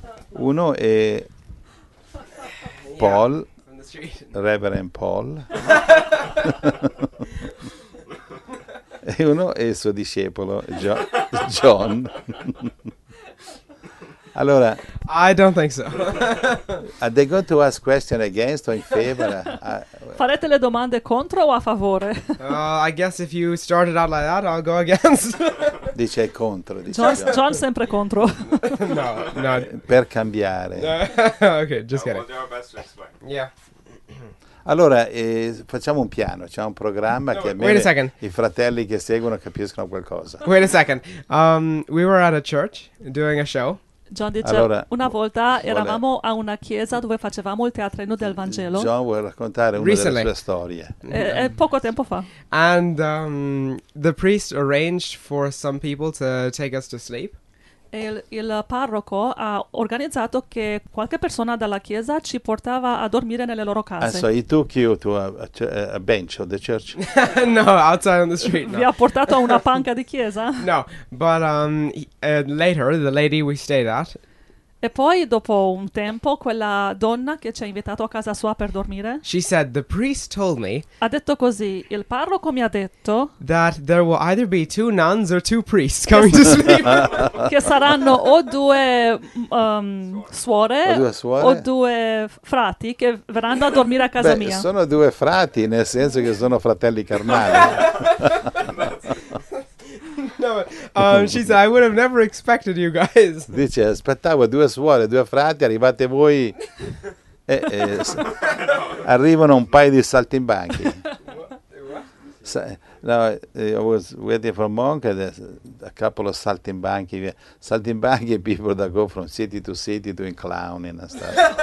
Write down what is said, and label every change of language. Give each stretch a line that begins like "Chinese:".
Italian: Uno è Paul, Reverend Paul. E uno è il suo discepolo, John. Allora,
English: I don't think so. Are they going to ask questions against or in favor?
Italian: Farete le domande contro o a favore?
English: I guess if you started out like that, I'll go against.
Italian: Dice contro. Dice John sempre contro. No. Per cambiare.
English: No. Okay, just kidding. We'll do our best to explain. Yeah.
Italian: Allora, facciamo un piano, c'è un programma che almeno i fratelli che seguono capiscono qualcosa.
English: Wait a second. We were at a church doing a show.
Italian: John dice, allora, una volta eravamo a una chiesa dove facevamo il teatrino del Vangelo. John vuole raccontare una
English: recently.
Italian: Delle sue storie. È poco tempo fa.
English: And the priest arranged for some people to take us to sleep.
Italian: Il parroco ha organizzato che qualche persona dalla chiesa ci portava a dormire nelle loro case.
English: So he took you to a bench of the church? No, outside on the street. No.
Italian: Vi ha portato a una panca di chiesa?
English: No, but later the lady we stayed at.
Italian: E poi dopo un tempo quella donna che ci ha invitato a casa sua per dormire.
English: She said the priest told me.
Italian: Ha detto così, il parroco mi ha detto.
English: That there will either be two nuns or two priests coming to sleep.
Italian: Che saranno o due suore o due frati che verranno a dormire a casa Beh, mia. Sono due frati nel senso che sono fratelli carnali.
English: No, she said, I would have never expected you guys.
Italian: Dice, aspettavo due suore, due frati, arrivate voi arrivano un paio di saltimbanchi.
English: I was waiting for a monk and a couple of saltimbanchi. Saltimbanchi people that go from city to doing clowning and stuff.